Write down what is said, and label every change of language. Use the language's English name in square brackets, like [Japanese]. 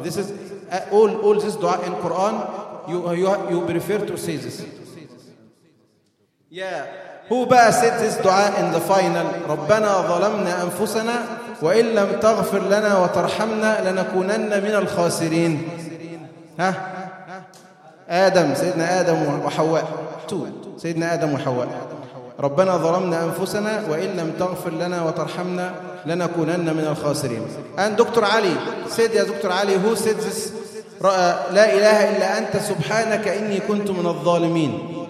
[English] This is all this dua in Quran. You prefer to say this. Yeah. Who بقى said this dua in the final? [Arabic] ربنا ظلمنا أنفسنا وإن لم تغفر لنا وترحمنا لنكونن من الخاسرين. آدم. سيدنا آدم وحواء. سيدنا آدم وحواء. ربنا ظلمنا أنفسنا وإن لم تغفر لنا وترحمنا لنكونن من الخاسرين. [English] And Dr. Ali said, يا doctor علي, who said this? [Arabic] لا إله إلا أنت سبحانك إني كنت من الظالمين.